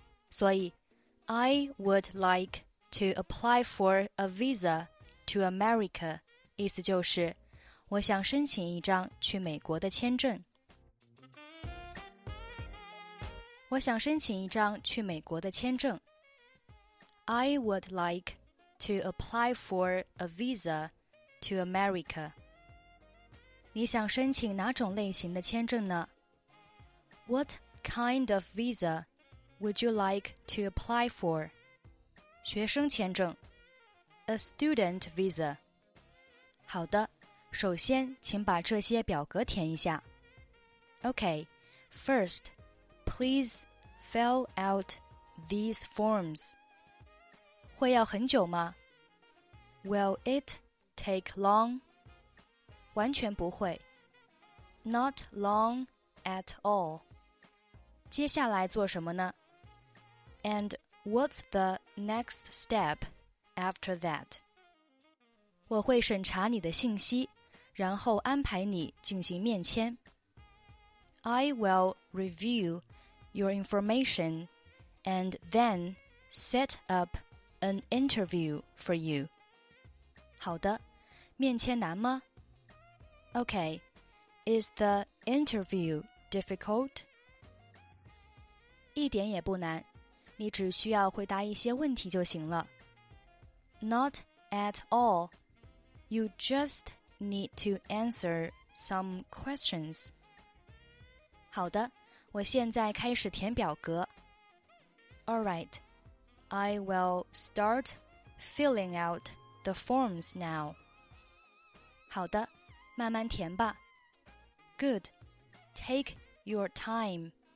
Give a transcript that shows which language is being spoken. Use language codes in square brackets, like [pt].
[zh] 所以 [en] ，I would like to apply for a visa. To America, [zh] 意思就是我想申请一张去美国的签证。我想申请一张去美国的签证。 [en] I would like to apply for a visa to America. [zh] 你想申请哪种类型的签证呢? [en] What kind of visa would you like to apply for? [zh] 学生签证。 [en] A student visa. [zh] 好的，首先请把这些表格填一下。 [en] Okay, first, please fill out these forms. [zh] 会要很久吗? [en] Will it take long? [zh] 完全不会。 [en] Not long at all. [zh] 接下来做什么呢? [en] And what's the next step? After that, [zh] 我会审查你的信息，然后安排你进行面签。 [en] I will review your information and then set up an interview for you. [zh] 好的，面签难吗? [en] Okay, is the interview difficult? [zh] 一点也不难，你只需要回答一些问题就行了。 [en] Not at all. You just need to answer some questions. [zh] 好的，我现在开始填表格。 [en] All right. I will start filling out the forms now. [zh] 好的，慢慢填吧。 [en] Good. Take your time.